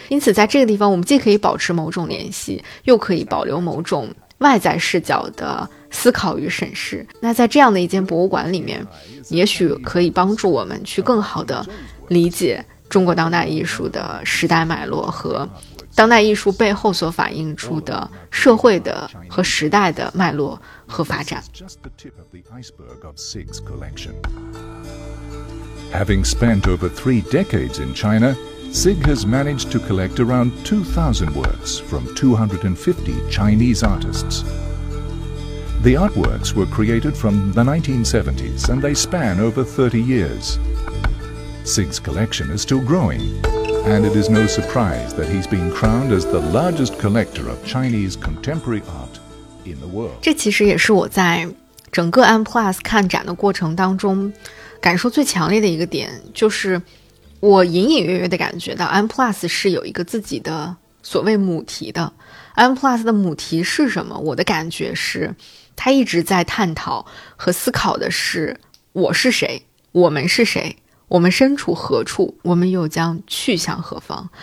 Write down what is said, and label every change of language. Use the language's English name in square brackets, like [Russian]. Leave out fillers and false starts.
[Chinese] 因此在这个地方我们既可以保持某种联系，又可以保留某种外在视角的思考与审视。那在这样的一间博物馆里面，也许可以帮助我们去更好的理解中国当代艺术的时代脉络和当代艺术背后所反映出的社会的和时代的脉络和发展。 [English] Just the tip of the iceberg of Sig's collection. Having spent over three decades in China, Sig has managed to collect around 2,000 works from 250 Chinese artists. The artworks were created from the 1970s and they span over 30 years. Sig's collection is still growing, and it is no surprise that he's been crowned as the largest collector of Chinese contemporary art in the world. [Chinese] 这其实也是我在整个 AnPlus 看展的过程当中感受最强烈的一个点，就是我隐隐约约的感觉到 AnPlus 是有一个自己的所谓母题的。 AnPlus 的母题是什么？我的感觉是他一直在探讨和思考的是我是谁，我们是谁，我们身处何处，我们又将去向何方。